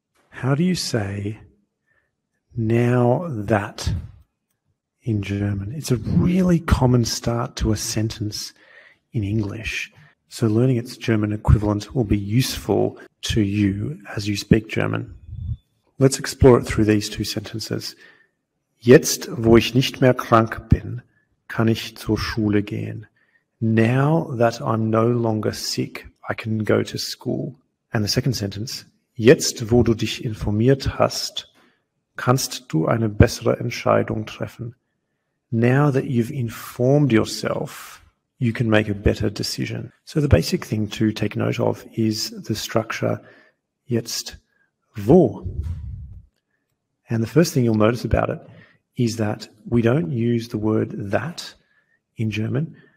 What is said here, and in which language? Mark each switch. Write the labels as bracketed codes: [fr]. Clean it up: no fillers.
[en] How do you say now that in German? It's a really common start to a sentence in English. So learning its German equivalent will be useful to you as you speak German. Let's explore it through these two sentences. [de] Jetzt, wo ich nicht mehr krank bin, kann ich zur Schule gehen. [en] Now that I'm no longer sick, I can go to school. And the second sentence, [de] jetzt, wo du dich informiert hast, kannst du eine bessere Entscheidung treffen. [en] Now that you've informed yourself, you can make a better decision. So the basic thing to take note of is the structure jetzt, wo. And the first thing you'll notice about it is that we don't use the word that in German.